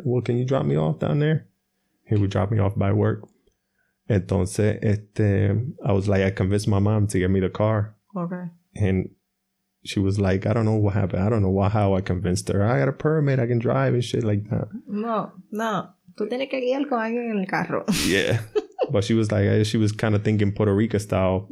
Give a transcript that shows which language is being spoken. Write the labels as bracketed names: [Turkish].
[English] Well, can you drop me off down there? He would drop me off by work. Entonces, I was like, I convinced my mom to get me the car. Okay. And she was like, I don't know what happened. I don't know how I convinced her. I got a permit. I can drive and shit like that. No. [Spanish] Tú tienes que guiar con alguien en el carro. [English] Yeah. But she was like, she was kind of thinking Puerto Rico style.